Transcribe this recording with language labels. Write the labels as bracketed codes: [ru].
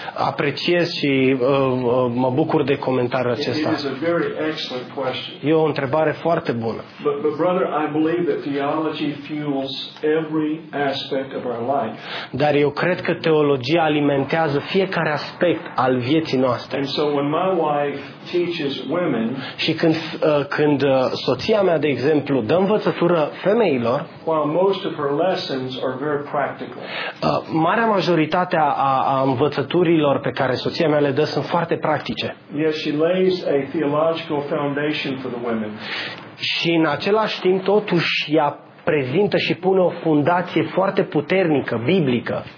[ro] Apreciez și mă bucur de comentariul acesta. [en] It is a very excellent question. [ro] E o întrebare foarte bună. [en] But brother, I believe that theology fuels every aspect of our life. [ro] Dar eu cred că teologia alimentează fiecare aspect al vieții noastre. [en] And so when my wife teaches women, [ro] și când soția mea, de exemplu, dă învățătură femeilor, [en] while most of her lessons are very practical. [ro] Majoritatea a învățăturilor pe care soția mea le dă sunt foarte practice. [en] Yes, she lays a theological foundation for the women. [ro] Și în același timp totuși ea prezintă și pune o fundație foarte puternică, biblică.